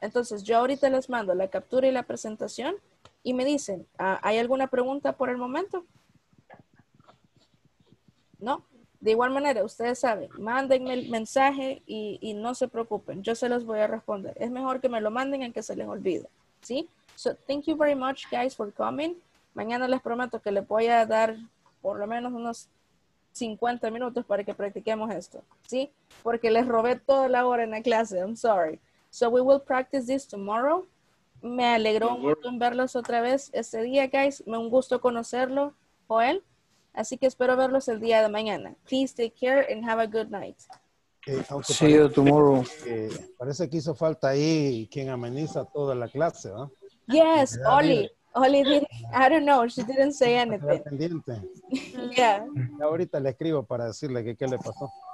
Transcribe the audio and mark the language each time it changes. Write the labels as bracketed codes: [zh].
[es] Entonces, yo ahorita les mando la captura y la presentación y me dicen, ¿hay alguna pregunta por el momento? No, de igual manera, ustedes saben, mándenme el mensaje y no se preocupen, yo se los voy a responder. Es mejor que me lo manden en que se les olvide, ¿sí? [en] So, thank you very much, guys, for coming. [es] Mañana les prometo que les voy a dar por lo menos unos 50 minutos para que practiquemos esto, ¿sí? Porque les robé toda la hora en la clase, [en] I'm sorry. So, we will practice this tomorrow. [es] Me alegró un montón verlos otra vez este día, guys. Me un gusto conocerlo, Joel. Así que espero verlos el día de mañana. [en] Please take care and have a good night. See you tomorrow. [es] Parece que hizo falta ahí quien ameniza toda la clase, ¿no? [en] Yes, Oli. Oli, she didn't say anything. [es] Pendiente. [en] Yeah. [es] Y ahorita le escribo para decirle que qué le pasó.